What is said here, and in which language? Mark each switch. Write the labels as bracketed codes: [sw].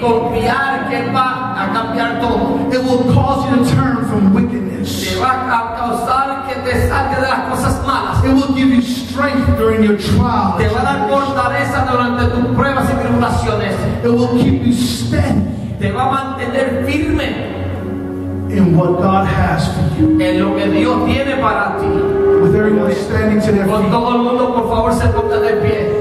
[es] Y confiar que él va a cambiar todo. [en] It will cause you to turn from wickedness. [es] Te va a causar que te salga de las cosas malas. [en] It will give you strength during your trial. [es] Te va a dar fortaleza durante tus pruebas y tribulaciones. [en] It will keep you steady. [es] Te va a mantener firme. [en] In what God has for you. [es] En lo que Dios tiene para ti. [en] with everyone standing to their feet. [es] Con todo el mundo, por favor, se ponga de pie.